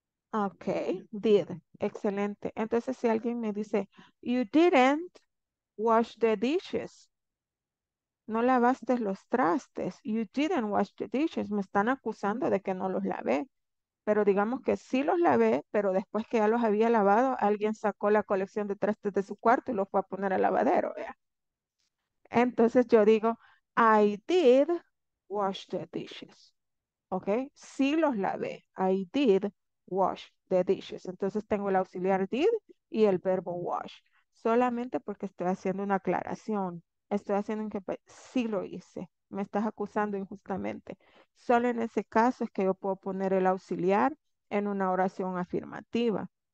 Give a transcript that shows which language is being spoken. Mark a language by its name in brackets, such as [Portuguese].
[Spanish] Ok, did. Excelente. Entonces, si alguien me dice, [English] you didn't wash the dishes, [Spanish] no lavaste los trastes, you didn't wash the dishes, me están acusando de que no los lavé. Pero digamos que sí los lavé, pero después que ya los había lavado, alguien sacó la colección de trastes de su cuarto y los fue a poner al lavadero, ¿vea? Entonces yo digo, [English] I did wash the dishes. [Spanish] ¿Ok? Sí los lavé. [English] I did wash the dishes. [Spanish] Entonces tengo el auxiliar did y el verbo wash. Solamente porque estoy haciendo una aclaración. Estoy haciendo que sí lo hice. Me estás acusando injustamente. Solo en ese caso es que yo puedo poner el auxiliar en una oración afirmativa.